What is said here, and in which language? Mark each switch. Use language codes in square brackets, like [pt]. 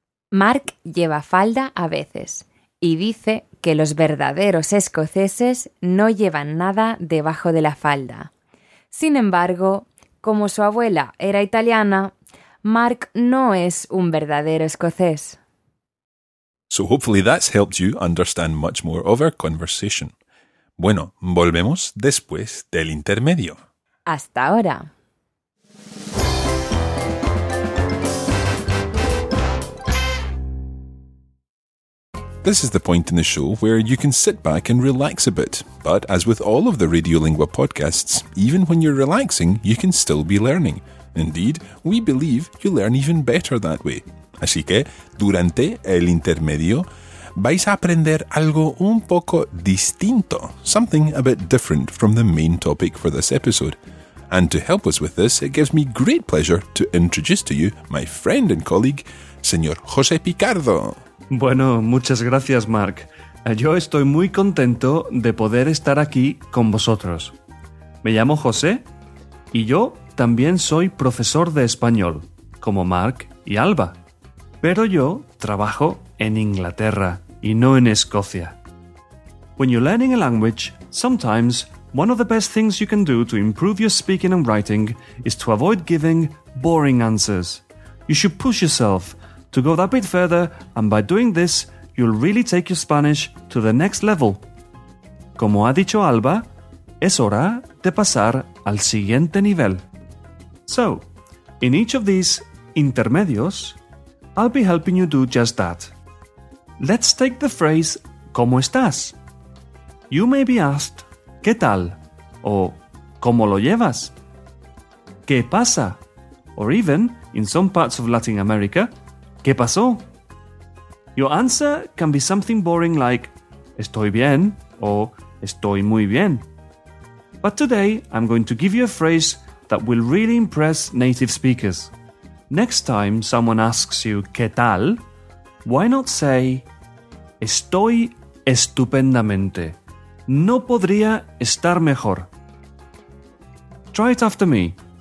[es] Marc lleva falda a veces y dice que los verdaderos escoceses no llevan nada debajo de la falda. Sin embargo, como su abuela era italiana, Mark no es un verdadero escocés. [en] So hopefully that's helped you understand much more of our conversation. [es] Bueno, volvemos después del intermedio. Hasta ahora. [en] The This is the point in the show where you can sit back and relax a bit. But as with all of the Radiolingua podcasts, even when you're relaxing, you can still be learning. Indeed, we believe you learn even better that way. [es] Así que, durante el intermedio, vais a aprender algo un poco distinto, [en] something a bit different from the main topic for this episode. And to help us with this, it gives me great pleasure to introduce to you my friend and colleague, Señor José Picardo. [es] Bueno, muchas gracias, Mark. Yo estoy muy contento de poder estar aquí con vosotros. Me llamo José y yo también soy profesor de español, como Mark y Alba. Pero yo trabajo en Inglaterra y no en Escocia. [en] When you're learning a language, sometimes one of the best things you can do to improve your speaking and writing is to avoid giving boring answers. You should push yourself to go that bit further, and by doing this, you'll really take your Spanish to the next level. [es] Como ha dicho Alba, es hora de pasar al siguiente nivel. [en] So, in each of these intermedios, I'll be helping you do just that. Let's take the phrase, [es] ¿cómo estás? [en] You may be asked, [es] ¿qué tal? O, ¿cómo lo llevas? ¿Qué pasa? [en] Or even, in some parts of Latin America, [es] ¿qué pasó? [en] Your answer can be something boring like, [es] estoy bien, o estoy muy bien. [en] But today, I'm going to give you a phrase that will really impress native speakers. Next time someone asks you, [es] ¿qué tal? [en] Why not say, [es] estoy estupendamente. No podría estar mejor. [en] Try it after me.